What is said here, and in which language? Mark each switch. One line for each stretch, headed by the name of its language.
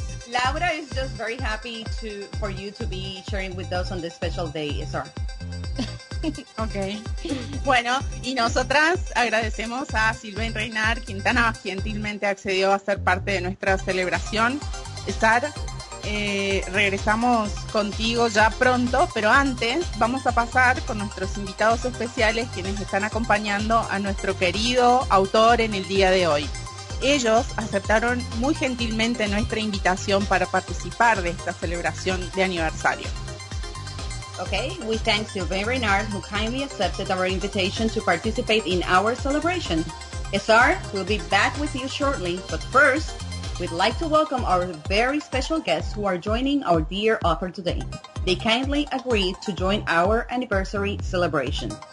English: Laura is just very happy for you to be sharing with us on this special day, SR. Ok.
Spanish: Bueno, y nosotras agradecemos a Silvain Reynar, quien tan gentilmente accedió a ser parte de nuestra celebración. SR, regresamos contigo ya pronto, pero antes vamos a pasar con nuestros invitados especiales, quienes están acompañando a nuestro querido autor en el día de hoy. Ellos aceptaron muy gentilmente nuestra invitación para participar de esta celebración de aniversario.
English: Okay, we thank Sylvain Reynard, who kindly accepted our invitation to participate in our celebration. SR, we'll be back with you shortly, but first, we'd like to welcome our very special guests who are joining our dear offer today. They kindly agreed to join our anniversary celebration.